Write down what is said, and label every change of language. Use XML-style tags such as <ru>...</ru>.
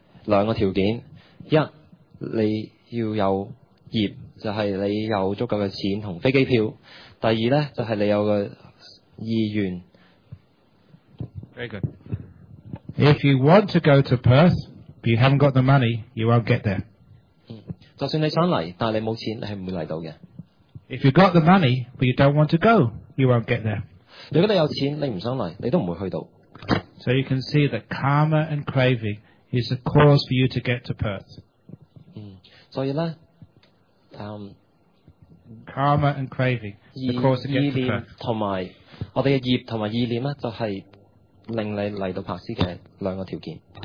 <yue>两个条件，一你要有业，就系你有足够嘅钱同飞机票；第二咧就系你有个意愿。</yue> <en>Very good. If you want to go to Perth, but you haven't got the money, you won't get there.</en> <yue>就算你想嚟，但你冇錢，你係唔會嚟到嘅。</yue> <en>If you got the money, but you don't want to go, you won't get there.</en> <yue>如果你有錢，你唔想嚟，你都唔會去到。</yue> <en>So you can see that karma and craving is a cause for you to get to Perth.</en> <yue>所以咧，</yue> <en>karma and craving, the cause to get to Perth.</en> <yue>意念同埋我哋嘅業同埋意念咧，就係令你嚟到柏斯嘅兩個條件。</yue>